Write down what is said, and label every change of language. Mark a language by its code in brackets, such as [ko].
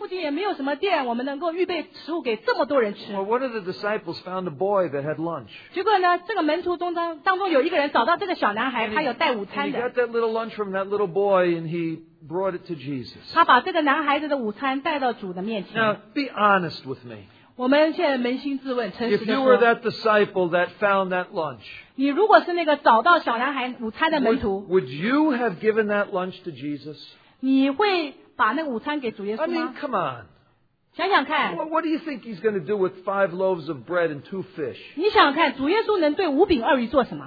[zh] 他们说,主啊,我们第一没有钱,第二就是有钱,这附近也没有什么店,我们能够预备食物给这么多人吃。 [en] Well, one of the disciples found a boy that had lunch. [zh] 结果呢,这个门徒当中有一个人找到这个小男孩,他有带午餐的。 [en] He got that little lunch from that little boy and he brought it to Jesus. [zh] 他把这个男孩子的午餐带到主的面前。 [en] Now, be honest with me. [zh] 我们现在扪心自问, [en] if you were that disciple that found that lunch, [zh] 你如果是那个找到小男孩午餐的门徒, [en] would you have given that lunch to Jesus? [zh] 你会把那个午餐给主耶稣吗? [en] I mean, come on. [zh] 想想看, [en] what do you think he's going to do with 5 loaves of bread and 2 fish? [zh] 你想想看, 主耶稣能对5饼2鱼做什么?